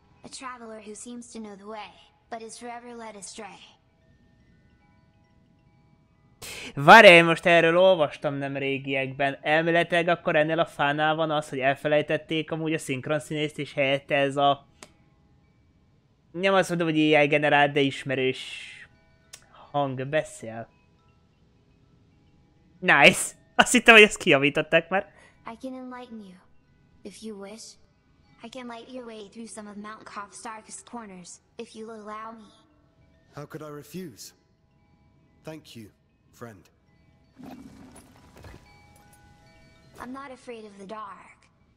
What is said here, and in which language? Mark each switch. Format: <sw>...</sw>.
<en>A traveler who seems to know the way, but is forever led astray.</en> <hu>Várjál, én most erről olvastam nem régiekben. Elméletileg akkor ennél a fánál van az, hogy elfelejtették amúgy a szinkron színészt, és helyette ez a... Nem azt mondom, hogy AI generált, de ismerős hang beszél. Nice! Azt hittem, hogy ezt kijavították már.</hu> <en>I can enlighten you, if you wish. I can light your way through some of Mount Koff's darkest corners, if you'll allow me. How could I refuse? Thank you, friend. I'm not afraid of the dark.</en>